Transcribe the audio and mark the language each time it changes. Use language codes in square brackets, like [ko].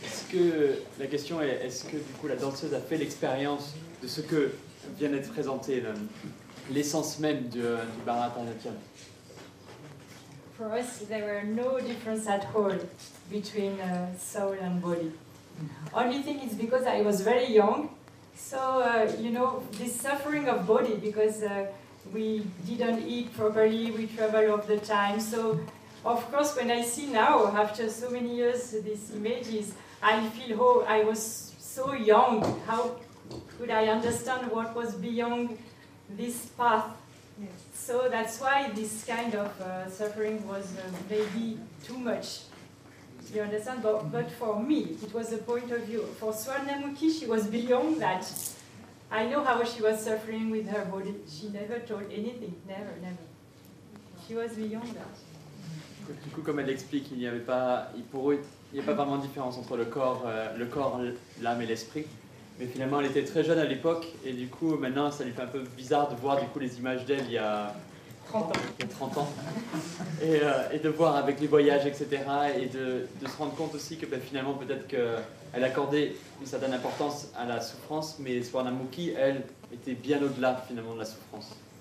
[fr] que la question est, est-ce que du coup la danseuse a fait l'expérience de ce que vient d'être présenté, l'essence même du Bharatanatyam? [en] For us, there were no difference at all between soul and body. Only thing is because I was very young, so you know, this suffering of body because we didn't eat properly, we travel all the time. So of course, when I see now, after so many years, these images, I feel, oh, I was so young. How could I understand what was beyond this path? Yes. So that's why this kind of suffering was maybe too much. You understand? But for me, it was a point of view. For Swarnamukhi, she was beyond that. I know how she was suffering with her body. She never told anything. Never, never. She was beyond that. [fr] Du coup, comme elle explique, il n'y avait pas, pour eux, il n'y a pas vraiment de différence entre le corps, l'âme et l'esprit. Mais finalement, elle était très jeune à l'époque, et du coup, maintenant, ça lui fait un peu bizarre de voir du coup les images d'elle il y a 30 ans, et de voir avec les voyages, etc., et de se rendre compte aussi que ben, finalement, peut-être qu'elle accordait une certaine importance à la souffrance, mais Swarnamukhi, elle, était bien au-delà finalement de la souffrance.